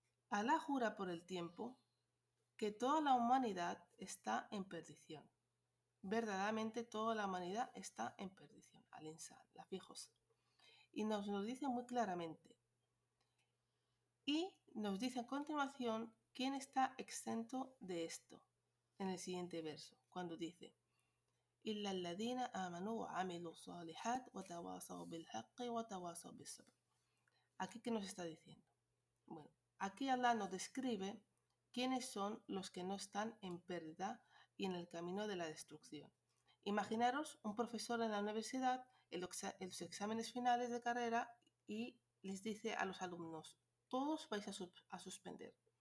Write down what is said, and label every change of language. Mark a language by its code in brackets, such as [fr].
[es] Allah jura por el tiempo que toda la humanidad está en perdición. Verdaderamente toda la humanidad está en perdición. [ar] Al-insan, lafi khusr. [es] Y nos lo dice muy claramente. Y nos dice a continuación, ¿quién está exento de esto? En el siguiente verso, cuando dice [ar] إِلَّا الَّذِينَ آمَنُوا وَعَمِلُوا الصَّالِحَاتِ وَتَوَاصَوْا بِالْحَقِّ وَتَوَاصَوْا بِالصَّبْرِ. [es] ¿Aquí qué nos está diciendo? Bueno, aquí Allah nos describe quiénes son los que no están en pérdida y en el camino de la destrucción. Imaginaros un profesor en la universidad, en los exámenes finales de carrera, y les dice a los alumnos, todos vais a suspender.